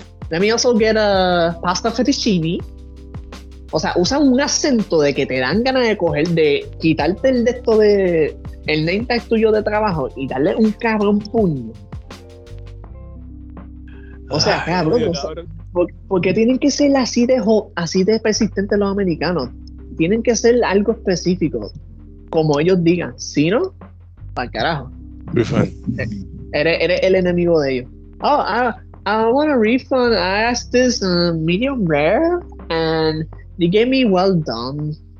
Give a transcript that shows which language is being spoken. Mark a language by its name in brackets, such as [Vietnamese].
[English] Let me also get a pasta fettuccine. [Spanish] O sea, usan un acento de que te dan ganas de coger, de quitarte el de esto de el name tag tuyo de trabajo y darle un cabrón puño. O sea, ay, cabrón, o sea, ¿por qué tienen que ser así de persistentes los americanos? Tienen que ser algo específico, como ellos digan. Si no, pa'l carajo. Eres el enemigo de ellos. [English] I want a refund. I asked this medium rare and they gave me well done.